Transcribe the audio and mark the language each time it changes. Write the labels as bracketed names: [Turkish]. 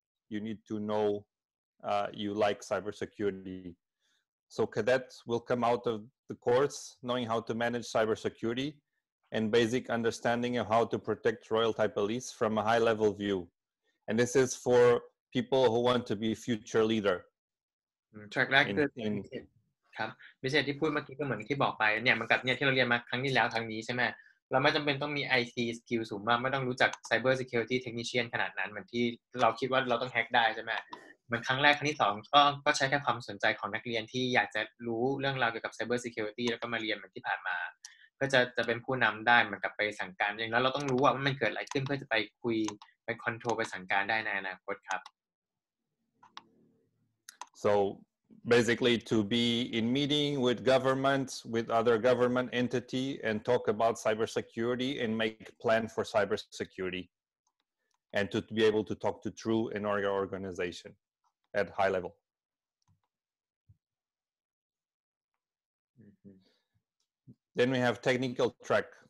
[English] You need to know you like cybersecurity. So cadets will come out of the course knowing how to manage cybersecurity and basic understanding of how to protect Royal Thai Police from a high level view. And this is for people who want to be future leader. [Thai] Track แรกคือครับมิเชลที่พูดเมื่อกี้ก็เหมือนที่บอกไปเนี่ยมันกับเนี่ยที่เราเรียนมาครั้งที่แล้วครั้งนี้ใช่ไหมเราไม่จำเป็นต้องมี IT skill สูงมากไม่ต้องรู้จัก cyber security technician ขนาดนั้นเหมือนที่เราคิดว่าเราต้องแฮกได้ใช่ไหมมันครั้งแรกครั้งที่สองก็ใช้แค่ความสนใจของนักเรียนที่อยากจะรู้เรื่องราวเกี่ยวกับ cyber security แล้วก็มาเรียนเหมือนที่ผ่านมาก็จะเป็นผู้นำได้เหมือนกับไปสั่งการอย่างนั้นเราต้องรู้ว่ามันเกิดอะไรขึ้นเพื่อจะไปคุยไปคอนโทรลไปสั่งการได้ในอนาคตครับ [English] So basically to be in meeting with governments with other government entity and talk about cyber security and make plan for cyber security and to be able to talk to true in our organization at high level Then we have technical track.